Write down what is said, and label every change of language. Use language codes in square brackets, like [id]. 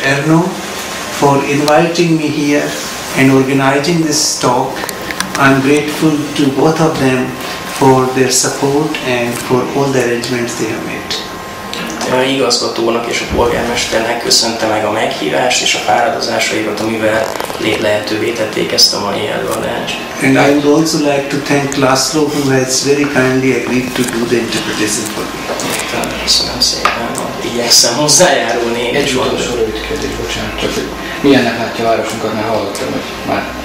[en] Erno, for inviting me here and organizing this talk. I'm grateful to both of them for their support and for all the arrangements they have made. [hu] A igazgatónak és a polgármesternek köszönte meg a meghívást és a fáradozásaikat, amivel lehetővé tették ezt a mai előadást. [en] And I would also like to thank László, who has very kindly agreed to do the interpretation for me. [hu] Köszönöm szépen, igyekszem hozzájárulni. Egy utolsó rövid kérdés, bocsánat, csak hogy milyennek látja a városunkat, mert hallottam, hogy már